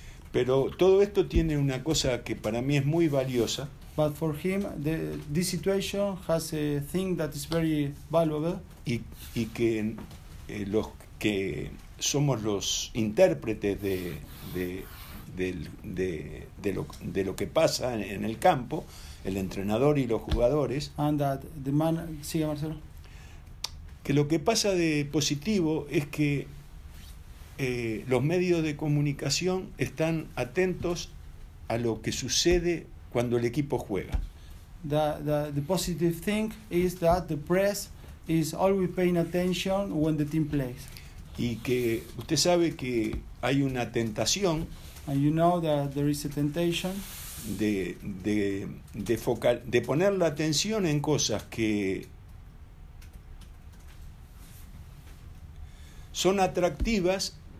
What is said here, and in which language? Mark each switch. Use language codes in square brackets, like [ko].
[es] Pero todo esto tiene una cosa que para mí es muy valiosa. [en] But for him, this situation has a thing that is very valuable. [es] Y que los que somos los intérpretes de lo que pasa en el campo, el entrenador y los jugadores. [en] And that the man, [es] sigue Marcelo. Que lo que pasa de positivo es que los medios de comunicación están atentos a lo que sucede cuando el equipo juega. [en] The positive thing is that the press is always paying attention when the team plays. [es] Y que usted sabe que hay una tentación. [en] And you know that there is a temptation. [es] De poner la atención en cosas que son atractivas.